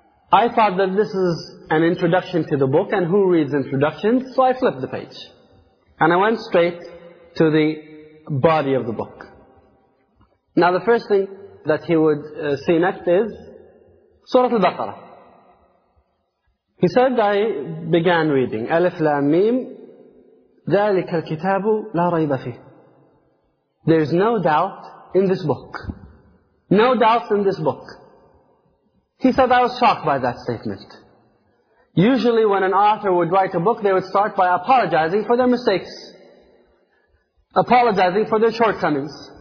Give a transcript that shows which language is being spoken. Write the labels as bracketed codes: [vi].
[en] I thought that this is an introduction to the book, and who reads introductions? So I flipped the page. And I went straight to the body of the book. Now the first thing that he would see next is Surah Al-Baqarah. He said, I began reading. [ar] Alif Lam Mim, ذَلِكَ الْكِتَابُ لَا رَيْبَ فِيهِ. [en] There is no doubt in this book. No doubt in this book. He said, I was shocked by that statement. Usually when an author would write a book, they would start by apologizing for their mistakes, apologizing for their shortcomings.